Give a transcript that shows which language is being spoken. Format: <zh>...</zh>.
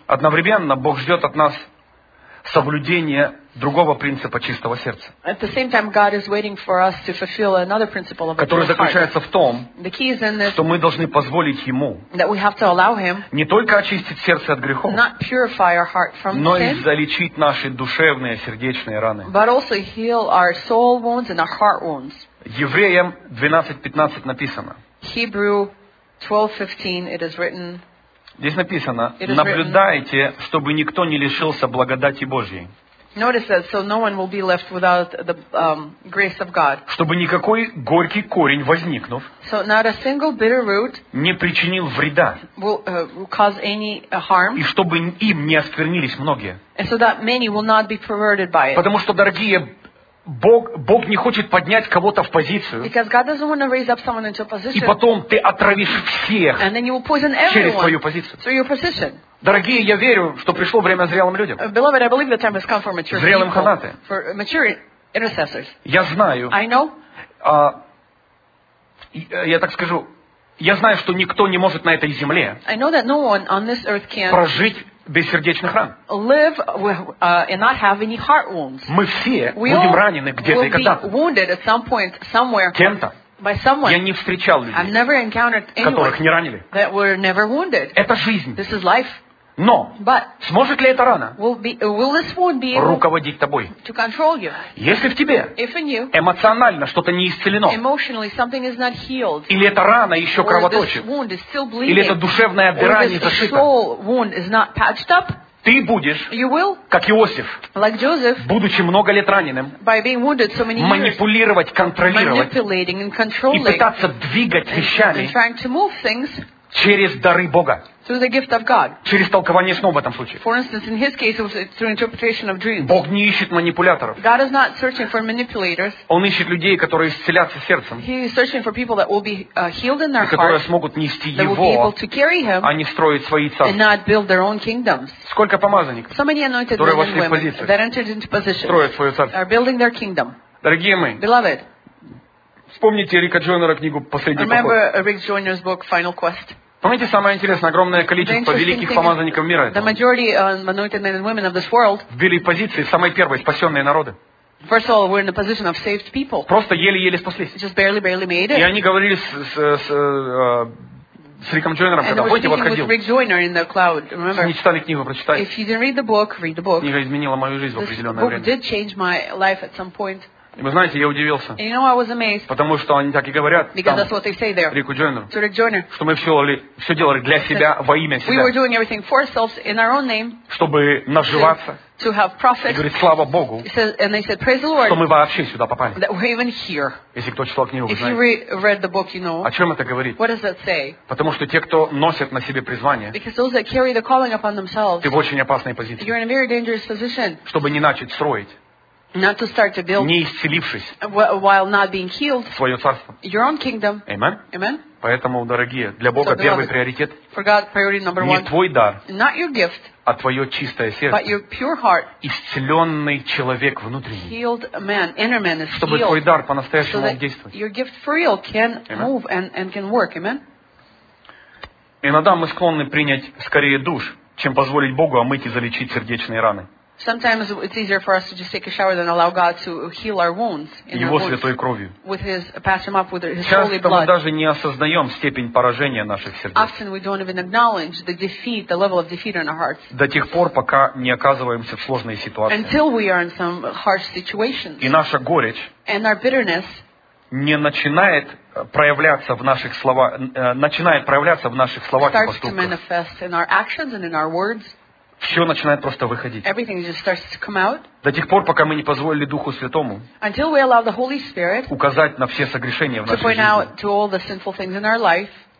<ru>Одновременно Бог ждет от нас соблюдения другого принципа чистого сердца.</ru> <en>At the same time, God is waiting for us to fulfill another principle of</en> <ru>который заключается</ru> <en>heart.</en> <ru>В том,</ru> <en>the key is in this,</en> <ru>что мы должны позволить Ему</ru> <en>that we have to allow him,</en> <ru>не только очистить сердце от грехов,</ru> <en>not purify our heart from</en> <ru>но</ru> <en>sin,</en> <ru>и залечить наши душевные, сердечные раны.</ru> <en>But also heal our soul wounds and our heart wounds.</en> <ru>Евреям 12:15 написано.</ru> <en>Hebrew 12:15 it is written.</en> <ru>Здесь написано: наблюдайте, чтобы никто не лишился благодати Божьей.</ru> <en>Notice that so no one will be left without the grace of God.</en> <ru>Чтобы никакой горький корень возникнув,</ru> <en>so not a single bitter root</en> <ru>не причинил вреда,</ru> <en>will cause any harm,</en> <ru>и чтобы им не осквернились многие.</ru> <en>And so that many will not be perverted by it.</en> <ru>Потому что, дорогие, Бог не хочет поднять кого-то в позицию.</ru> <en>Because God doesn't want to raise up someone into a position.</en> <ru>И потом ты отравишь всех.</ru> <en>And then you will poison everyone</en> <ru>через твою позицию.</ru> <en>Through your position.</en> <ru>Дорогие, я верю, что пришло время зрелым людям.</ru> <en>Beloved, I believe the time has come for mature people.</en> <ru>Зрелым ханаты.</ru> <en>For mature intercessors.</en> <ru>Я знаю.</ru> <en>I know.</en> <ru>Я так скажу. Я знаю, что никто не может на этой земле</ru> <en>I know that no one on this earth can</en> <ru>прожить без сердечных ран.</ru> <en>Live with, and not have any heart wounds.</en> <ru>Мы все</ru> <en>we</en> <ru>будем ранены где-то и когда-то.</ru> <en>Wounded at some point, somewhere,</en> <ru>кем-то.</ru> <en>By someone.</en> <ru>Я не встречал людей,</ru> <en>I've never encountered anyone</en> <ru>которых не ранили.</ru> <en>That were never wounded.</en> <ru>Это жизнь.</ru> <en>This is life.</en> <ru>Но</ru> <en>but</en> <ru>сможет ли эта рана</ru> <en>will this wound be</en> <ru>руководить тобой?</ru> <en>To control you?</en> <ru>Если в тебе</ru> <en>if in you,</en> <ru>эмоционально что-то не исцелено,</ru> <en>emotionally something is not healed,</en> <ru>или эта рана еще</ru> <en>or</en> <ru>кровоточит,</ru> <en>this wound is still bleeding,</en> <ru>или это душевное обдирание зашито,</ru> <en>soul wound is not patched up,</en> <ru>ты будешь,</ru> <en>you will,</en> <ru>как Иосиф,</ru> <en>like Joseph,</en> <ru>будучи много лет раненым,</ru> <en>by being wounded so many years,</en> <ru>манипулировать, контролировать</ru> <en>manipulating and controlling,</en> <ru>и пытаться двигать</ru> <en>and</en> <ru>вещами,</ru> <en>trying to move things,</en> <ru>через дары Бога.</ru> <en>Through the gift of God.</en> <ru>Через толкование снов в этом случае.</ru> <en>For instance, in his case, it was through interpretation of dreams.</en> <ru>Бог не ищет манипуляторов.</ru> <en>God is not searching for manipulators.</en> <ru>Он ищет людей, которые исцелятся сердцем.</ru> <en>He is searching for people that will be healed in their hearts.</en> <ru>Которые смогут нести</ru> <en>that</en> <ru>его,</ru> <en>will be able to carry him,</en> <ru>а не строить свои царства.</ru> <en>And not build their own kingdoms.</en> <ru>Сколько помазанников,</ru> <en>so many anointed</en> <ru>которые</ru> <en>women</en> <ru>вошли в позицию,</ru> <en>that entered into positions,</en> <ru>строят свое царство.</ru> <en>Are building their kingdom.</en> <ru>Дорогие мои,</ru> <en>beloved,</en> <ru>Вспомните Рика Джойнера книгу «Последний поход». Помните, самое интересное, огромное количество великих помазанников мира этого ввели позиции, самые первые, спасенные народы.</ru> <en>First of all, we're in a position of saved people.</en> <ru>Просто еле-еле спаслись.</ru> <en>Just barely made it.</en> <ru>И они говорили с Риком Джойнером, когда Войте подходил.</ru> <en>Rick Joyner in the cloud, remember?</en> <ru>Не читали книгу, прочитали.</ru> <en>If you didn't read the book, read the book.</en> <ru>Книга изменила мою жизнь в определенное</ru> <en>book Did change my life at some point.</en> <ru>И вы знаете, я удивился.</ru> <en>And you know, I was amazed.</en> <ru>Потому что они так и говорят.</ru> <en>Because</en> <ru>там,</ru> <en>that's what they say there.</en> <ru>Рику Джойнеру.</ru> <en>To Rick Joyner.</en> <ru>Что мы все делали для себя, во имя себя.</ru> <en>We were doing everything for ourselves in our own name.</en> <ru>Чтобы наживаться.</ru> <en>To have profit.</en> <ru>И говорит, слава Богу,</ru> <en>and they said, praise the Lord,</en> <ru>что мы вообще сюда попали.</ru> <en>That we're even here.</en> <ru>Если кто читал книгу,</ru> <en>if you read the book, you know.</en> <ru>О чем это говорит?</ru> <en>What does that say?</en> <ru>Потому что те, кто носят на себе призвание,</ru> <en>because those that carry the calling upon themselves,</en> <ru>ты в очень опасной позиции.</ru> <en>You're in a very dangerous position.</en> <ru>Чтобы не начать строить,</ru> <en>not to start to build,</en> <ru>не исцелившись,</ru> <en>while not being healed,</en> <ru>свое царство.</ru> <en>Your own kingdom. Amen. Amen.</en> <ru>Поэтому, дорогие, для Бога первый приоритет</ru> <en>one,</en> <ru>не твой дар,</ru> <en>not your gift,</en> <ru>а твое чистое сердце,</ru> <en>heart,</en> <ru>исцеленный человек внутренний,</ru> <en>man, inner man is</en> <ru>чтобы</ru> <en>healed,</en> <ru>твой дар по-настоящему мог действовать.</ru> <en>Your gift for real can move and can work. Amen?</en> <ru>Иногда мы склонны принять скорее душ, чем позволить Богу омыть и залечить сердечные раны.</ru> <en>Sometimes it's easier for us to just take a shower than allow God to heal our wounds in</en> <ru>Его святой кровью.</ru> <en>With His, pass Him up with His</en> <ru>Часто</ru> <en>holy blood.</en> <ru>Часто мы даже не осознаем степень поражения наших сердец.</ru> <en>Often we don't even acknowledge the defeat, the level of defeat in our hearts.</en> <ru>До тех пор, пока не оказываемся в сложной ситуации.</ru> <en>Until we are in some harsh situations.</en> <ru>И наша горечь.</ru> <en>And our bitterness.</en> <ru>Не начинает проявляться в наших словах, начинает проявляться в наших словах и поступках.</ru> <en>Starts to manifest in our actions and in our words.</en> <ru>Все начинает просто выходить.</ru> <en>Everything just starts to come out.</en> <ru>До тех пор, пока мы не позволили Духу Святому</ru> <en>until we allow the Holy Spirit</en> <ru>указать на все согрешения в нашей жизни,</ru> <en>to point out to all the sinful things in our life,</en>